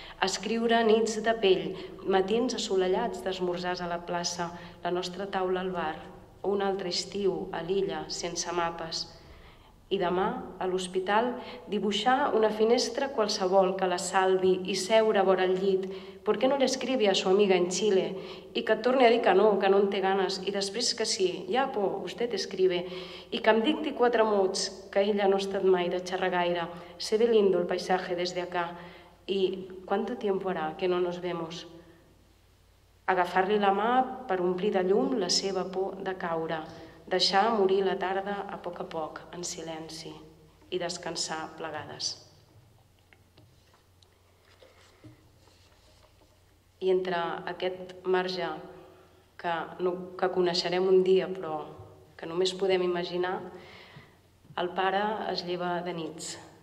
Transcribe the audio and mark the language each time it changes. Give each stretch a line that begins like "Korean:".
Catalan: Escriure nits de pell, matins assolellats d'esmorzars a la plaça, la nostra taula al bar, o un altre estiu a l'illa sense mapes. I demà, a l'hospital, dibuixar una finestra qualsevol que la salvi i seure vora el llit.
Spanish: ¿Por qué no le escribe a su amiga en Chile?
Catalan: I que torni a dir que no en té ganes. I després que sí, ja,
Spanish: po, usted escribe.
Catalan: I que em dicti quatre mots, que ella no ha estat mai de xerrar gaire.
Spanish: Se ve lindo el paisaje desde acá. I ¿cuánto tiempo hará que no nos vemos?
Catalan: Agafar-li la mà per omplir de llum la seva por de caure. Deixar morir la tarda a poc, en silenci, i descansar plegades. I entre aquest marge que, no, que coneixerem un dia, però que només podem imaginar, el pare es lleva de nits.